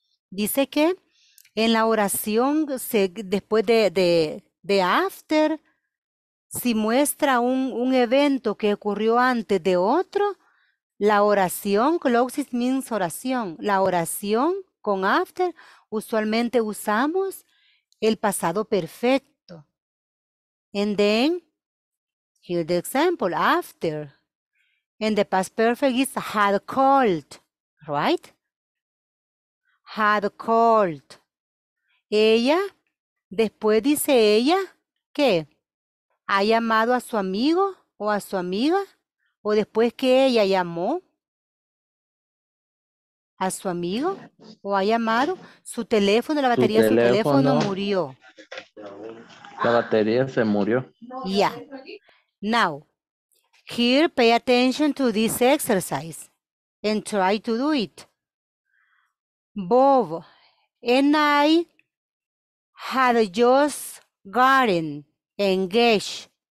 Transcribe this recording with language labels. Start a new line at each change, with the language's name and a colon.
Spanish: dice que en la oración después de after, si muestra un evento que ocurrió antes de otro, la oración,
English: closes means
Spanish: oración, la oración con after, usualmente usamos el pasado perfecto.
English: And then, here's the example, after. And the past perfect is had called, right? Had called.
Spanish: Ella, después dice ella, ¿qué? Ha llamado a su amigo o a su amiga. ¿O después que ella llamó a su amigo o ha llamado su teléfono, la batería de su teléfono murió? La batería se murió.
English: Yeah. Now, here pay attention to this exercise and try to do it. Bob and I had just gotten engaged.